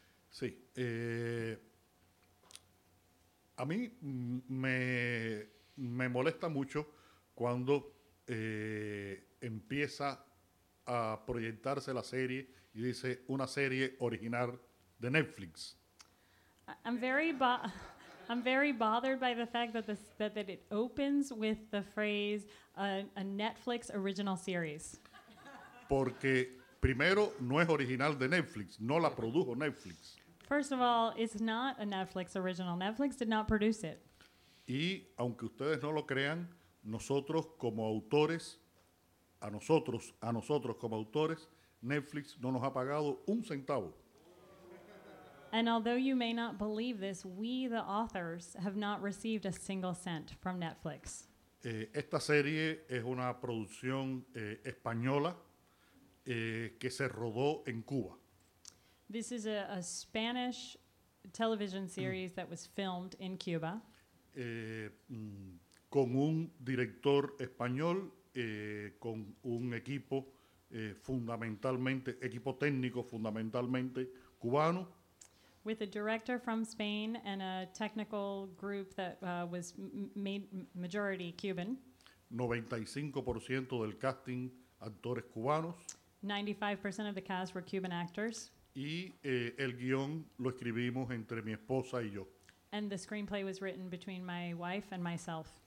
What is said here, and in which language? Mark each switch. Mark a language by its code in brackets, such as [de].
[es] Sí, a mí me molesta mucho cuando empieza a proyectarse la serie y dice una serie original de Netflix. [en] I'm very bothered by the fact that that it opens with the phrase a Netflix original series. [es] Porque primero no es original de Netflix, no la produjo Netflix. [en] First of all, it's not a Netflix original. Netflix did not produce it. [es] Y aunque ustedes no lo crean, nosotros como autores, a nosotros como autores, Netflix no nos ha pagado un centavo. [en] And although you may not believe this, we, the authors, have not received a single cent from Netflix. [es] Esta serie es una producción española que se rodó en Cuba. [en] This is a Spanish television series that was filmed in Cuba. [es] Con un director español, con un equipo fundamentalmente, equipo técnico fundamentalmente cubano. [en] With a director from Spain and a technical group that was majority Cuban. [es] 95% del casting, actores cubanos. [en] 95% of the cast were Cuban actors. [es] Y el guión lo escribimos entre mi esposa y yo. [en] And the screenplay was written between my wife and myself.